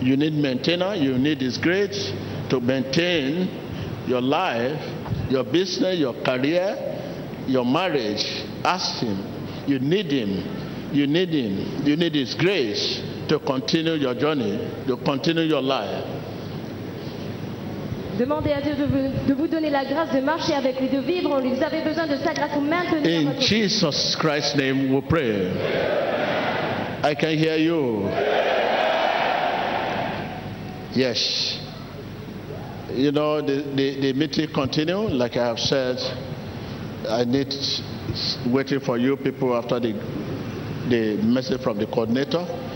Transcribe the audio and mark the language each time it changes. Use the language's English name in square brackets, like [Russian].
[English] You need maintenance. You need His grace to maintain your life, your business, your career, your marriage. Ask Him. You need Him. You need Him. You need His grace to continue your journey, to continue your life. [French] Demandez à Dieu de vous donner la grâce de marcher avec lui, de vivre en lui. Vous avez besoin de sa grâce pour maintenir votre vie. [English] In Jesus Christ's name, we pray. I can hear you. Yes. You know, the meeting continue. Like I have said, I need waiting for you people after the message from the coordinator.